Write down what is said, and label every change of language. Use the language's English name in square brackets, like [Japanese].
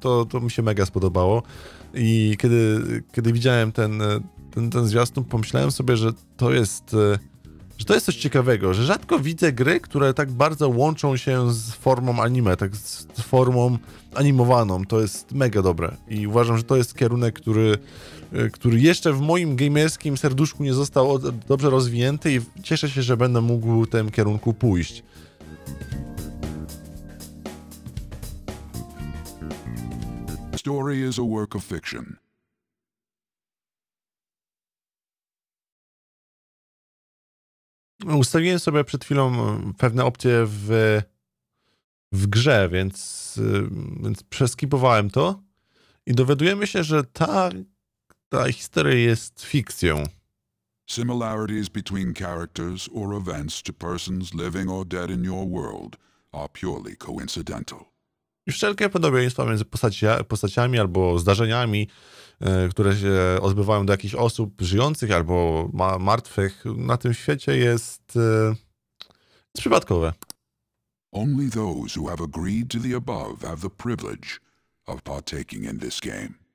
[Polish] To mi się mega spodobało. I kiedy widziałem ten zwiastun, pomyślałem sobie, że to jest coś ciekawego, że rzadko widzę gry, które tak bardzo łączą się z formą anime, tak z formą animowaną. To jest mega dobre i uważam, że to jest kierunek, który jeszcze w moim gamerskim serduszku nie został dobrze rozwinięty i cieszę się, że będę mógł w tym kierunku pójść. [English] Story is a work of fiction. [Polish] Ustawiłem sobie przed chwilą pewne opcje w grze, więc przeskipowałem to i dowiadujemy się, że ta historia jest fikcją. [English] Similarities between characters or events to persons living or dead in your world are purely coincidental. [Polish] Wszelkie podobieństwa między postaciami albo zdarzeniami, które się odbywają do jakichś osób żyjących albo martwych na tym świecie jest przypadkowe. [English] Only those who have agreed to the above have the privilege of partaking in this game.